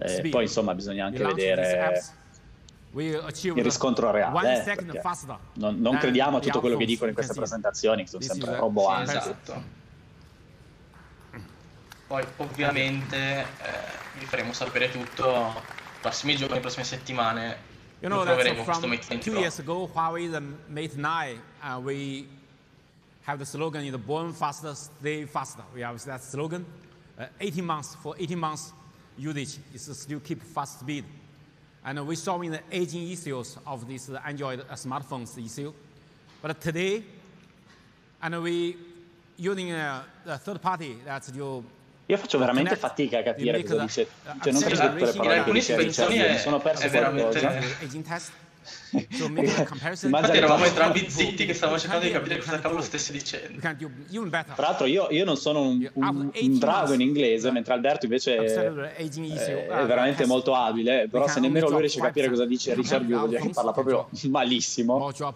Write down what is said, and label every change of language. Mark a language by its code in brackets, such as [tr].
[it] Poi, insomma, bisogna anche vedere il riscontro reale, non crediamo a tutto quello che dicono in queste presentazioni, che sono sempre roboanti. Esatto. Poi, ovviamente, vi faremo sapere tutto prossimi giorni, prossime settimane, [en] You know, that's from 2 years ago, Huawei, the Mate 9, we have the slogan, you know, born faster, stay faster. We have that slogan. 18 months usage is still keep fast speed. And we saw in the aging issues of this Android smartphones issue. But today, and we using a third party that you. [it] Io faccio veramente fatica a capire cosa dice. Cioè, non capisco tutte le parole che dice Richard, mi sono perso qualcosa. Infatti eravamo entrambi zitti che stavamo cercando di capire cosa cavolo stesse dicendo. Tra l'altro io non sono un drago in inglese, mentre Alberto invece è veramente molto abile, però se nemmeno lui riesce a capire cosa dice Richard, vuol dire che parla proprio malissimo.